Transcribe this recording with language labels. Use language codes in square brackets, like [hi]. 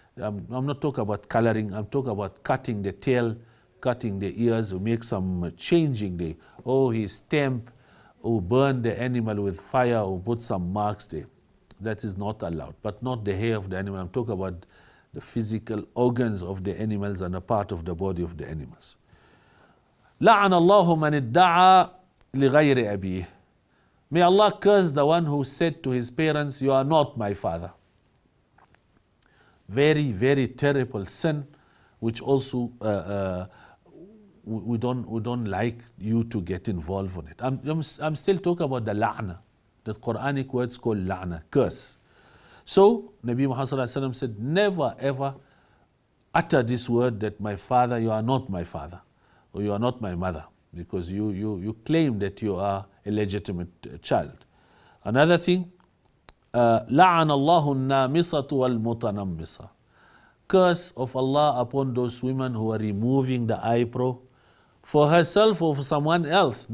[en] I'm not talking about coloring. I'm talking about cutting the tail, cutting the ears, or make some changing the, oh, he stamp, or burn the animal with fire, or put some marks there. That is not allowed. But not the hair of the animal. I'm talking about the physical organs of the animals and a part of the body of the animals. [ar] لعن الله من ادعى لغير أبيه. [en] May Allah curse the one who said to his parents, you are not my father. Very, very terrible sin, which also we don't like you to get involved in it. I'm still talking about the la'na. The Quranic words called la'na, curse. So Nabi Muhammad said, never ever utter this word that my father, you are not my father, or you are not my mother, because you claim that you are illegitimate child. Another thing, [ar] لعن الله النامصة والمتنمصة. [en] Curse of Allah upon those women who are removing the eyebrow for herself or for someone else.